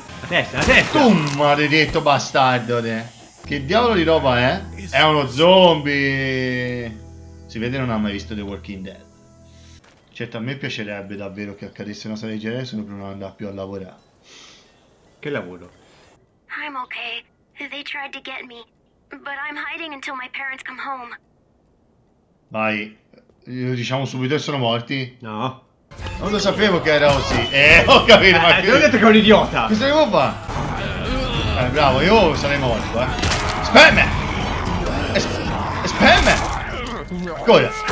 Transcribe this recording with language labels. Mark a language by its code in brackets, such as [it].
[it] La testa, la testa. Tu maledetto bastardo, te. Che diavolo di roba è? È uno zombie. Si vede non ha mai visto The Walking Dead. Certo, a me piacerebbe davvero che accadesse una cosa del genere, se non andare più a lavorare. Che lavoro? [en] I'm okay. They tried to get me, but I'm hiding until my parents come home. [it] Vai, diciamo subito che sono morti? No. Non lo sapevo che era così. Ho capito, ma che... Ti ho detto che è un idiota! Cosa devo fare? Bravo, io sarei morto, eh. Spam! Spam! Ancora!